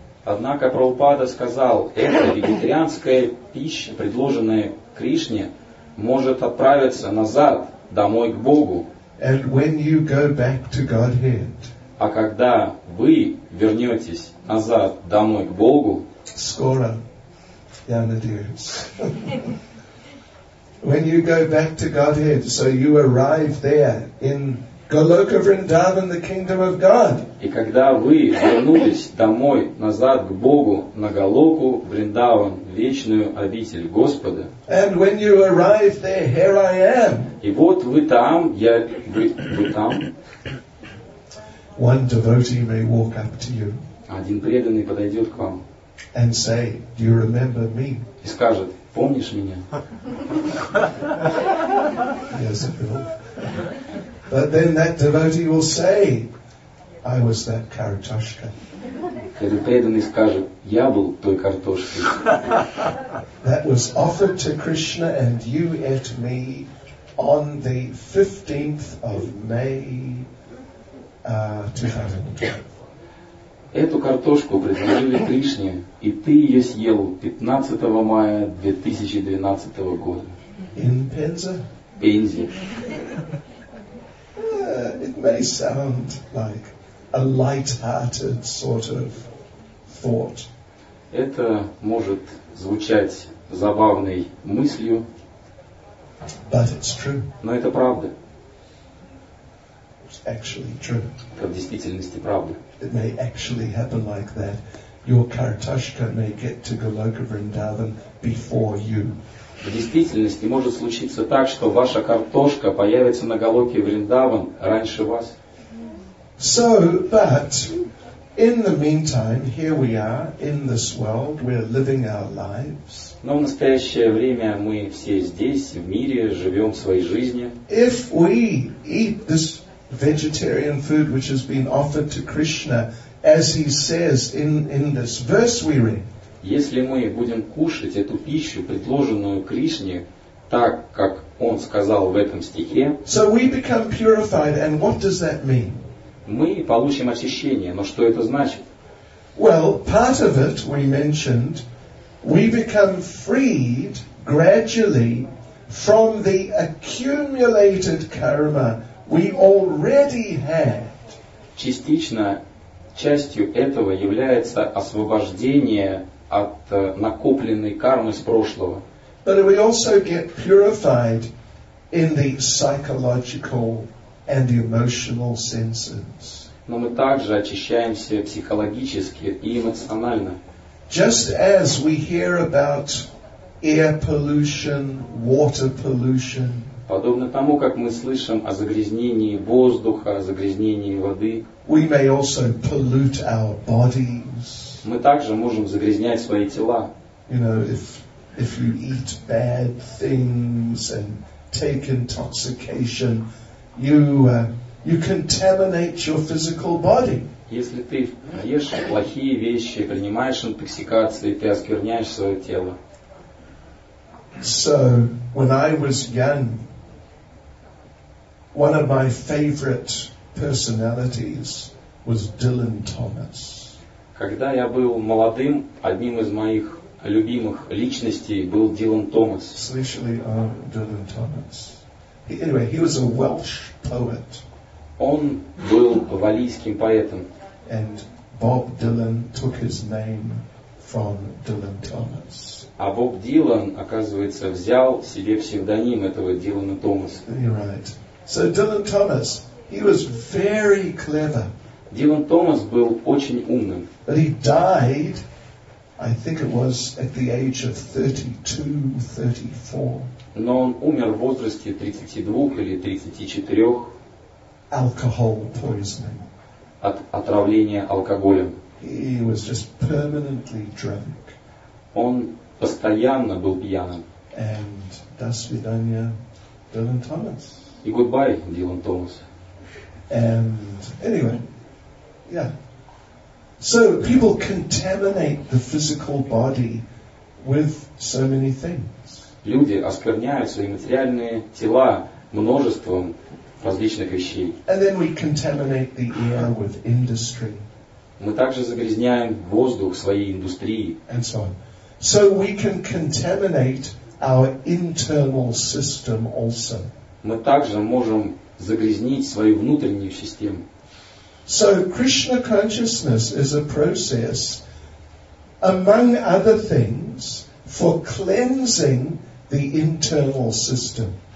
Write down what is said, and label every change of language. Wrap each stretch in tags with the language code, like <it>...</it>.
<ru>Однако Прабхупада сказал, эта вегетарианская пища, предложенная Кришне, может отправиться назад. Домой к Богу.</ru> <en>And when you go back to Godhead,</en> <ru>а когда вы вернетесь назад домой к Богу, скоро, я надеюсь.</ru> <en>When you go back to Godhead, so you arrive there in Goloka Vrindavan, the kingdom of God.</en> <ru>И когда вы вернулись домой назад к Богу на Голоку Вриндаван, вечную обитель Господа.</ru> <en>And when you arrive there, here I am.</en> <ru>И вот вы там, я вы там.</ru> <en>One devotee may walk up to you.</en> <ru>Один преданный подойдет к вам.</ru> <en>And say, do you remember me?</en> <ru>И скажет, помнишь меня?</ru> <en>Yes, I will. But then that devotee will say, I was that kartoshka.</en> <ru>Этот преданный скажет, я был той картошкой.</ru> <en>That was offered to Krishna and you ate me on the 15th of May 2012.</en> <ru>Эту картошку предложили Кришне, и ты ее съел 15 мая 2012 года.</ru> <en>In Penza?</en> <ru>Пензе.</ru> <en>It may sound like a light-hearted sort of thought.</en> <ru>Это может звучать забавной мыслью.</ru> <en>But it's true.</en> <ru>Но это правда.</ru> <en>It's actually true.</en> <ru>Это в действительности правда.</ru> <en>It may actually happen like that. Your kartoshka may get to Goloka Vrindavan before you.</en> <ru>В действительности может случиться так, что ваша картошка появится на Голоке Вриндаван раньше вас.</ru> <en>So, but in the meantime, here we are in this world, we're living our lives.</en> <ru>Но в настоящее время мы все здесь, в мире, живем своей жизнью.</ru> <en>If we eat this vegetarian food which has been offered to Krishna, as he says in this verse we read.</en> <ru>Если мы будем кушать эту пищу, предложенную Кришне, так, как Он сказал в этом стихе,</ru> <en>so we become purified, and what does that mean?</en> <ru>Мы получим очищение, но что это значит?</ru> <en>Well, part of it, we mentioned, we become freed gradually from the accumulated karma we already had.</en> <ru>Частично, частью этого является освобождение от накопленной кармы с прошлого.</ru> <en>But we also get purified in the psychological and emotional senses.</en> <ru>Но мы также очищаемся психологически и эмоционально.</ru> <en>Just as we hear about air pollution, water pollution.</en> <ru>Подобно тому, как мы слышим о загрязнении воздуха, о загрязнении воды.</ru> <en>We may also pollute our bodies.</en> <ru>Мы также можем загрязнять свои тела.</ru> <en>You know, if you eat bad things and take intoxication, you contaminate your physical body.</en> <ru>Если ты ешь плохие вещи, принимаешь интоксикации, ты оскверняешь свое тело.</ru> <en>So, when I was young, one of my favorite personalities was Dylan Thomas.</en> <ru>Когда я был молодым, одним из моих любимых личностей был Дилан Томас. Слышали о Дилан Томас?</ru> <en>Anyway, he was a Welsh poet.</en> <ru>Он был валийским поэтом.</ru> <en>And Bob Dylan took his name from Dylan Thomas.</en> <ru>А Боб Дилан, оказывается, взял себе псевдоним этого Дилана Томаса.</ru> <en>Right. So Dylan Thomas, he was very clever.</en> <ru>Дилан Томас был очень умным.</ru> <en>But he died, I think it was at the age of 32-34.</en> <ru>Но он умер в возрасте 32 или 34.</ru> <en>Alcohol poisoning.</en> <ru>От отравления алкоголем.</ru> <en>He was just permanently drunk.</en> <ru>Он постоянно был пьяным.</ru> <en>And</en> <ru>до свидания,</ru> <en>Dylan Thomas.</en> <ru>И</ru> <en>goodbye,</en> <ru>Dylan Thomas.</ru> <en>And anyway, yeah. So people contaminate the physical body with so many things.</en> <ru>Люди оскверняют свои материальные тела множеством различных вещей.</ru> <en>And then we contaminate the air with industry.</en> <ru>Мы также загрязняем воздух своей индустрией.</ru> <en>And so on. So we can contaminate our internal system also.</en> <ru>Мы также можем загрязнить свою внутреннюю систему.</ru> <en>So Krishna consciousness is a process, among other things, for cleansing the internal system.</en>